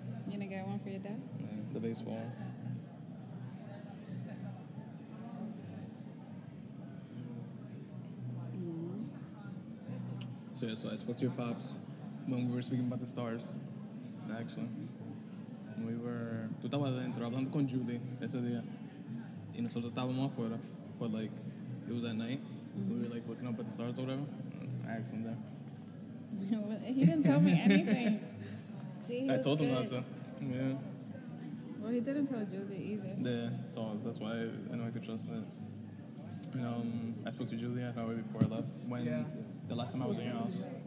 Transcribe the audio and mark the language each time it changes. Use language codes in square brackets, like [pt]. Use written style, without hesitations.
[en] You going to get one for your dad? Yeah, the baseball. So yeah, so I spoke to your pops when we were speaking about the stars, actually. We were... [es] Tú estabas adentro hablando con Judy ese día. Y nosotros estábamos afuera. [en] But, like, it was at night. Mm-hmm. We were, like, looking up at the stars or whatever. I asked him that. He didn't tell me anything. See, I told good. Him that, so. Yeah. Well, he didn't tell Judy either. Yeah, so that's why I know I could trust that. And, I spoke to Judy an hour before I left. When... Yeah. The last time I was in your house.